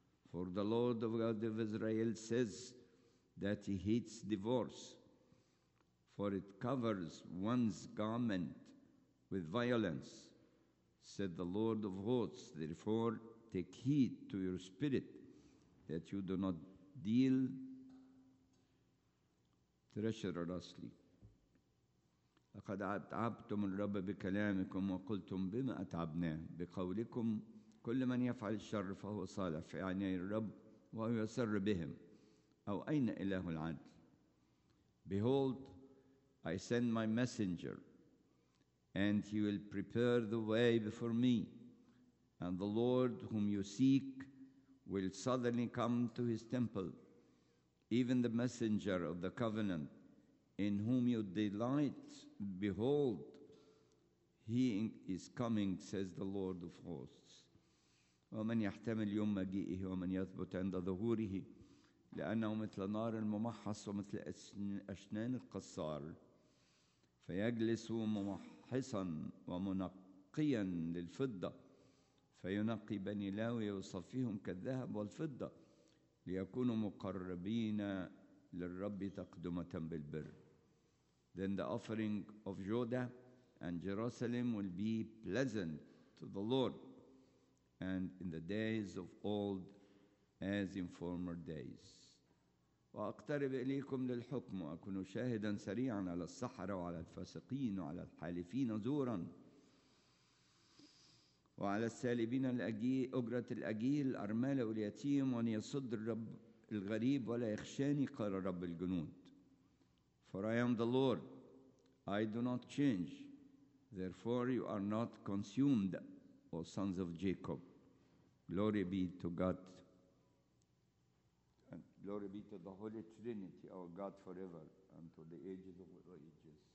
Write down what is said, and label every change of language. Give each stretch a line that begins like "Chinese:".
English: For the Lord of God of Israel says that he hates divorce, for it covers one's garment with violence. Said the Lord of hosts, therefore take heed to your spirit that you do not deal treacherously.
Arabic: لقد أتعبتم الرب بكلامكم وقلتم بما أتعبنا بقولكم كل من يفعل الشر فهو صالح في عيني الرب وهو يسر بهم أو أين إله العدل.
English: Behold, I send my messenger, and he will prepare the way before me. And the Lord whom you seek will suddenly come to his temple, even the messenger of the covenant in whom you delight. Behold, he is coming, says the Lord of hosts.
Arabic: ومن يحتمل يوم مجيئه ومن يثبت عند ظهوره لأنه مثل نار الممحص ومثل أشنان القصار فيجلس ممحصا ومنقيا للفضة فينقي بني لاوي ويصفيهم كالذهب والفضة ليكونوا مقربين للرب تقدمة بالبر.
English: Then the offering of Judah and Jerusalem will be pleasant to the Lord and in the days of old as in former days.
Arabic: وأقترب إليكم للحكم وأكون شاهدا سريعا على السحرة وعلى الفاسقين وعلى الحالفين زورا وعلى السالبين أجرة الأجيل أرمال واليتيم وأن يصد الرب الغريب ولا يخشاني قال رب الجنود.
English: For I am the Lord, I do not change. Therefore you are not consumed, O sons of Jacob. Glory be to God. Glory be to the Holy Trinity, our God forever, and to the ages of all ages.